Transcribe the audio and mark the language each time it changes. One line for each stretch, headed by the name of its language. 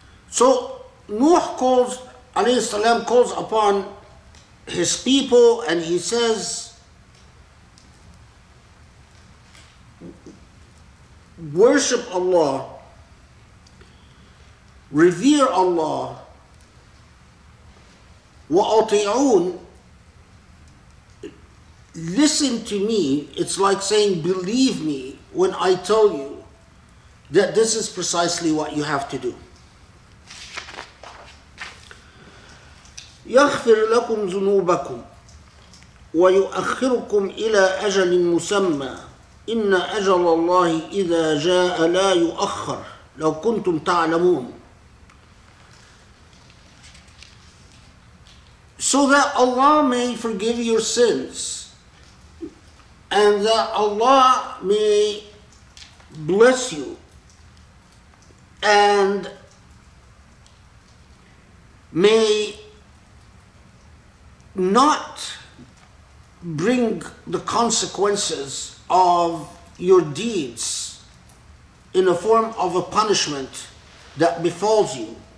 English: So Nuh calls, alayhi salam, calls upon his people and he says, worship Allah, revere Allah,
Arabic: وأطيعون,
English: listen to me. It's like saying, believe me when I tell you that this is precisely what you have to do.
Arabic: يغفر لكم ذنوبكم ويؤخركم إلى أجل مسمى إن أجل الله إذا جاء لا يؤخر لو كنتم تعلمون.
English: So that Allah may forgive your sins and that Allah may bless you and may not bring the consequences of your deeds in a form of a punishment that befalls you.